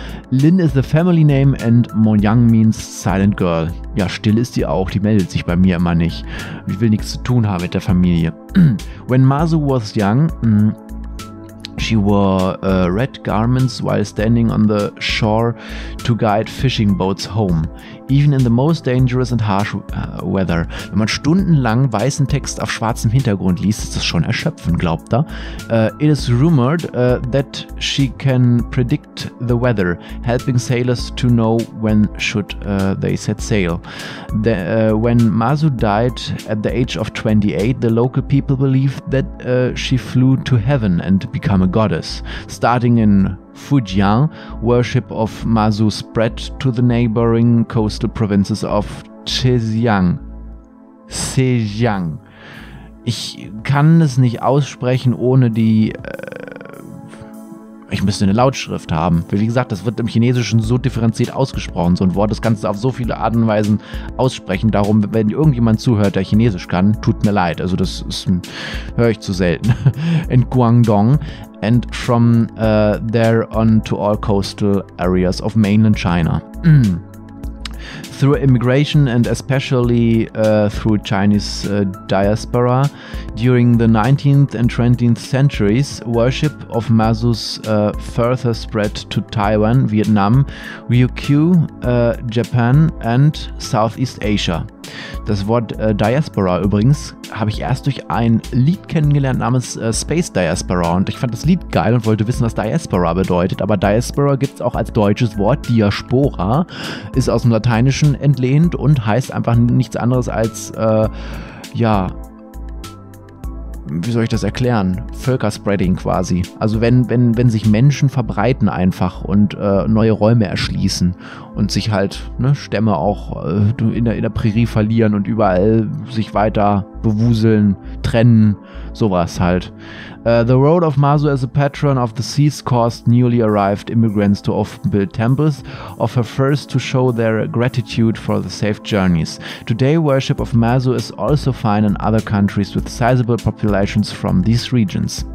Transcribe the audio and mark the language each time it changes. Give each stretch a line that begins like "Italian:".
English: Lin is the family name and Monyang means silent girl.
German: Ja, still ist sie auch. Die meldet sich bei mir immer nicht. Ich will nichts zu tun haben mit der Familie.
English: When Mazu was young, she wore red garments while standing on the shore to guide fishing boats home. Even in the most dangerous and harsh weather.
German: Wenn man stundenlang weißen Text auf schwarzem Hintergrund liest, ist das schon erschöpfend, glaubt er.
English: It is rumored that she can predict the weather, helping sailors to know when should they set sail. When Mazu died at the age of 28, the local people believed that she flew to heaven and became a goddess. Starting in Fujian, worship of Mazu spread to the neighboring coastal provinces of Zhejiang.
German: Zhejiang. Ich kann es nicht aussprechen ohne die... ich müsste eine Lautschrift haben. Wie gesagt, das wird im Chinesischen so differenziert ausgesprochen, so ein Wort. Das kannst du auf so viele Arten und Weisen aussprechen. Darum, wenn irgendjemand zuhört, der Chinesisch kann, tut mir leid. Also das höre ich zu selten. In Guangdong.
English: And from there on to all coastal areas of mainland China. Through immigration and especially through Chinese diaspora, during the 19th and 20th centuries, worship of Mazu's further spread to Taiwan, Vietnam, Ryukyu, Japan and Southeast Asia.
German: Das Wort Diaspora übrigens habe ich erst durch ein Lied kennengelernt namens Space Diaspora und ich fand das Lied geil und wollte wissen, was Diaspora bedeutet, aber Diaspora gibt es auch als deutsches Wort, Diaspora, ist aus dem Lateinischen entlehnt und heißt einfach nichts anderes als, ja, wie soll ich das erklären, Völkerspreading quasi, also wenn sich Menschen verbreiten einfach und neue Räume erschließen und sich halt, ne, Stämme auch in der Prärie verlieren und überall sich weiter bewuseln, trennen, sowas halt.
English: The role of Mazu as a patron of the seas caused newly arrived immigrants to often build temples of her first to show their gratitude for the safe journeys. Today, worship of Mazu is also found in other countries with sizable populations from these regions.